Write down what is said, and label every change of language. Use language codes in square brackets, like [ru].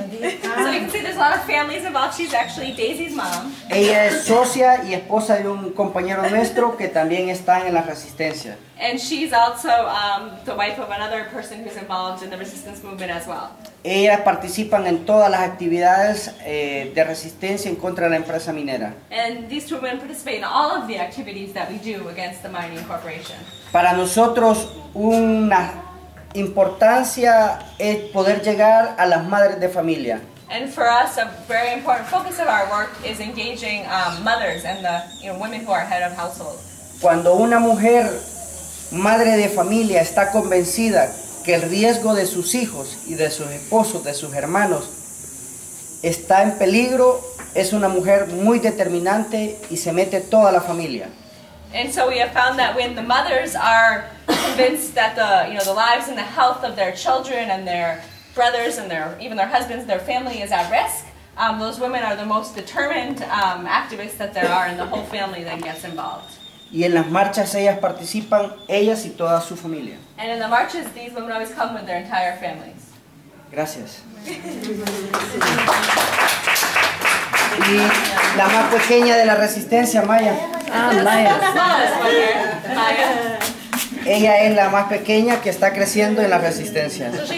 [en] So you can see there's a lot of families involved. She's actually Daisy's mom. [es] Ella es socia y esposa de un compañero nuestro que también está en la resistencia. [en] And she's also the wife of another person who's involved in the resistance movement as well. [es] Ellas participan en todas las actividades de resistencia en contra de la empresa minera. [en] And these two women participate in all of the activities that we do against the mining corporation. [es] Para nosotros una importancia es poder llegar a las madres de familia. [en] And for us a very important focus of our work is engaging mothers and the women who are head of households. [es] Cuando una mujer madre de familia está convencida que el riesgo de sus hijos y de sus esposos, de sus hermanos, está en peligro, es una mujer muy determinante y se mete toda la familia. [en] And so we have found that when the mothers are convinced that the, you know, the lives and the health of their children and their brothers and their, even their husbands, their family is at risk, those women are the most determined activists that there are, and the whole family then gets involved. [es] Y en las marchas ellas participan, ellas y toda su familia. [en] And in the marches, these women always come with their entire families. [es] Gracias. Y la más pequeña de la resistencia, Maya. Maya. Maya. Ella es la más pequeña que está creciendo en la resistencia.